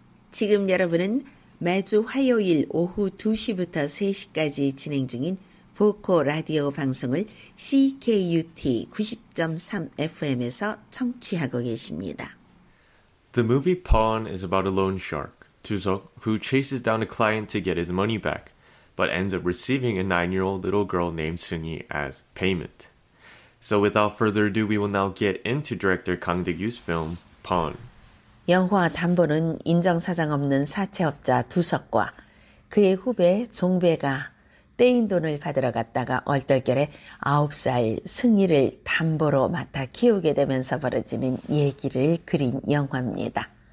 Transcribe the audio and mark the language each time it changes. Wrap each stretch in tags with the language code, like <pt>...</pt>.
<ko>지금 여러분은 매주 화요일 오후 2시부터 3시까지 진행 중인 보코 라디오 방송을 CKUT 90.3 FM에서 청취하고 계십니다.</ko> <en>The movie Pawn is about a loan shark, 두석, who chases down a client to get his money back, but ends up receiving a 9-year-old little girl named Sunyi as payment. So without further ado, we will now get into director Kang Daegu's film, Pawn.</en> <ko>영화 담보는 인정사정 없는 사채업자 두석과 그의 후배 종배가 떼인 돈을 받으러 갔다가 얼떨결에 9살 승희를 담보로 맡아 키우게 되면서 벌어지는 얘기를 그린 영화입니다.</ko>